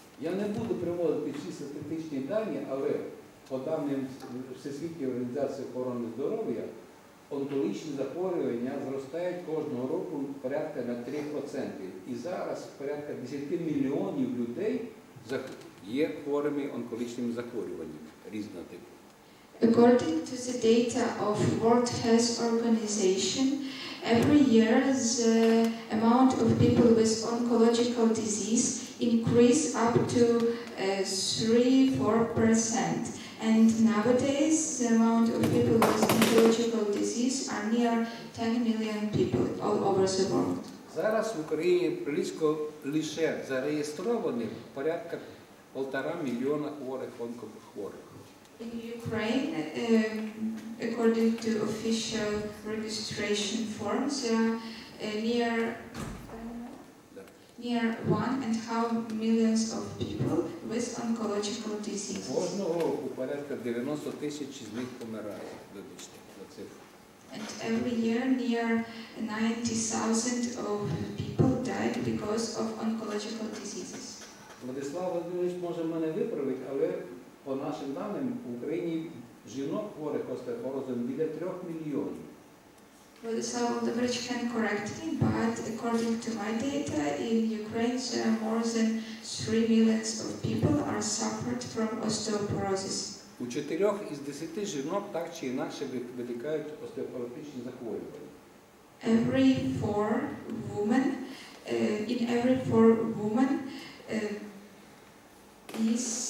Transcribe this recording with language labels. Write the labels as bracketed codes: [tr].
[uk] Я не буду приводити всі статистичні дані, але по даним Всесвітньої організації охорони здоров'я, онкологічні захворювання зростають кожного року порядка на 3%. І зараз порядка 10 мільйонів людей є хворими онкологічними захворюваннями різного типу. [en] According to the data of World Health Organization, Every year, the amount of people with oncological disease increase up to 3-4%. And nowadays, the amount of people with oncological disease are near 10 million people all over the world. [uk] Зараз в Україні близько лише зареєстрованих порядка 1.5 мільйона хворих онкохворих. [en] In Ukraine, according to official registration forms, there are near 1.5 million of people with oncological diseases. [uk] Кожного року порядка 90 тисяч з них помирає. Вибачте, на цифру. [en] And every year, near 90,000 of people died because of oncological diseases. [uk] Владислав Владимирович може мене виправити, але по нашим даним в Україні жінок хворих остеохорозом біля 3 мільйонів. [en] Владислав Владимирович can correct me, but according to my data, in Ukraine there are more than 3 million of people are suffered from osteoporosis. [uk] У 4 із 10 жінок так чи інакше виникають остеопоротичні захворювання. [en] Every 4 women, in every 4 women, is